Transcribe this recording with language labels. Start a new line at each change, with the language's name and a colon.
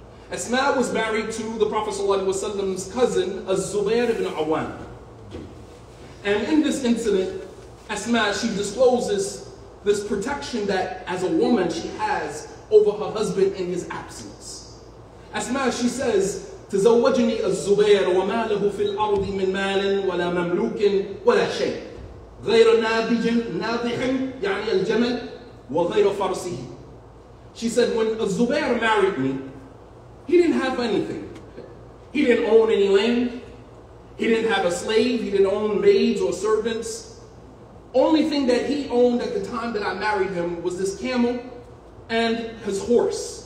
English: Asma was married to the Prophet sallallahu alaihi wasallam's cousin, Az-Zubair ibn Awan. And in this incident, Asma, she discloses this protection that as a woman she has over her husband in his absence. Asma, she says,
Arabic: تزوجني الزبير وماله في الأرض من مال ولا مملوك ولا شيء غير ناضج ناضح يعني الجمل وغير فرسه.
English: She said, when الزبير married me, he didn't have anything. He didn't own any land. He didn't have a slave. He didn't own maids or servants. Only thing that he owned at the time that I married him was this camel and his horse.